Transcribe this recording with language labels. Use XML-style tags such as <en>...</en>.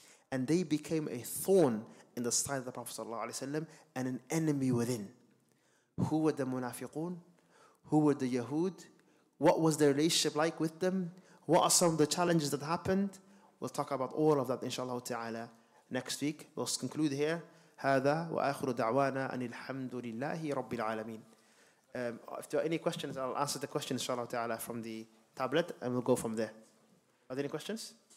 <en>And they became a thorn in the side of the Prophet sallallahu alaihi wasallam and an enemy within. Who were the munafiqun? Who were the Yahud? What was their relationship like with them? What are some of the challenges that happened? We'll talk about all of that, inshallah ta'ala, next week. We'll conclude here.</en> <ar>هذا وآخر دعوانا أن الحمد لله رب العالمين.</ar> <en>If there are any questions, I'll answer the question, inshallah ta'ala, from the tablet, and we'll go from there. Are there any questions?</en>